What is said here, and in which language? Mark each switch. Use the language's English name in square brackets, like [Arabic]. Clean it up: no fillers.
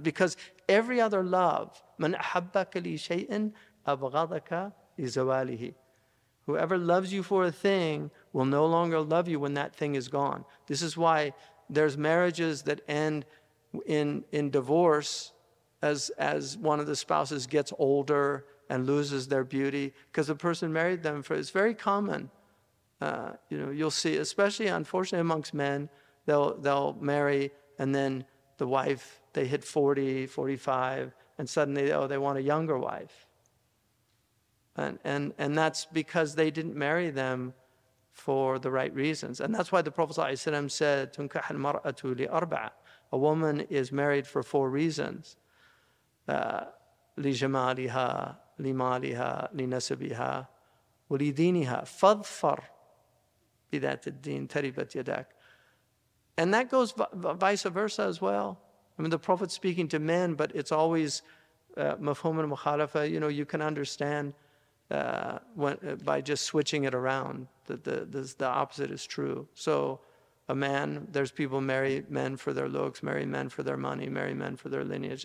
[English] Because every other love, [Arabic] مَنْ أَحَبَّكَ لِشَيْءٍ أَبْغَضَكَ لِزَوَالِهِ. [English] Whoever loves you for a thing will no longer love you when that thing is gone. This is why there's marriages that end in divorce as one of the spouses gets older and loses their beauty, because the person married them for, it's very common. You know, you'll see, especially unfortunately amongst men, they'll marry and then the wife, they hit 40, 45, and suddenly, oh, they want a younger wife. And that's because they didn't marry them for the right reasons. And that's why the Prophet ﷺ said, [Arabic] تنكح المرأة لأربعة. [English] A woman is married for four reasons. [Arabic] لجمالها, لمالها, لنسبها, ولدينها. فاظفر بذات الدين تربت يداك. [English] And that goes vice versa as well. I mean, the Prophet's speaking to men, but it's always [Arabic] مفهوم المخالفة. [English] You know, you can understand by just switching it around, the opposite is true. So a man, there's people marry men for their looks, marry men for their money, marry men for their lineage.